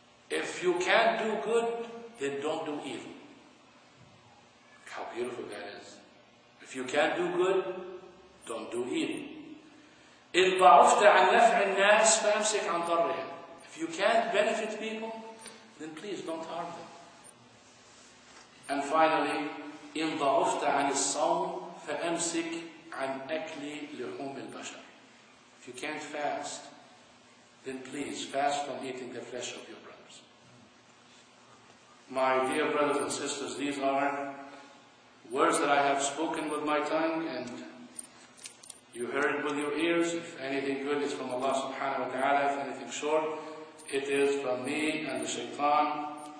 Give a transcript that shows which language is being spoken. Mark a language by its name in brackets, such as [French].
[English] If you can't do good, then don't do evil. How beautiful that is. If you can't do good, don't do evil. [Arabic] إِنْ ضَعُفْتَ عَنْ نَفْعِ النَّاسِ فَأَمْسِكْ عَنْ ضَرِّهِمْ. [English] If you can't benefit people, then please don't harm them. And finally, [Arabic] إِنْ ضَعُفْتَ عَنِ الصَّوْمِ فَأَمْسِكْ عَنْ أَكْلِ لُحُومِ الْبَشَرِ. [English] If you can't fast, then please fast from eating the flesh of your My dear brothers and sisters, these are words that I have spoken with my tongue and you heard with your ears. If anything good is from Allah subhanahu wa ta'ala, if anything short, it is from me and the shaitan.